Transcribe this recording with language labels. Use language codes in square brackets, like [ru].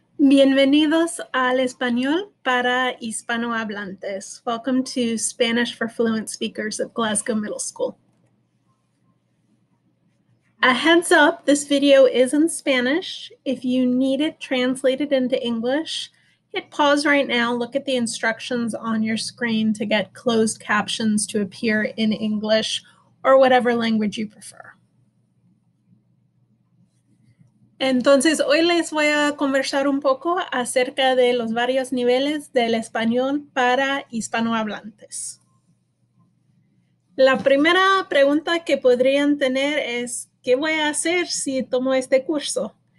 [es] Bienvenidos al español para hispanohablantes. [en] Welcome to Spanish for Fluent Speakers of Glasgow Middle School. A heads up, this video is in Spanish. If you need it translated into English, hit pause right now, look at the instructions on your screen to get closed captions to appear in English or whatever language you prefer. [es] Entonces, hoy les voy a conversar un poco acerca de los varios niveles del español para hispanohablantes. La primera pregunta que podrían tener es, ¿qué voy a hacer si tomo este curso?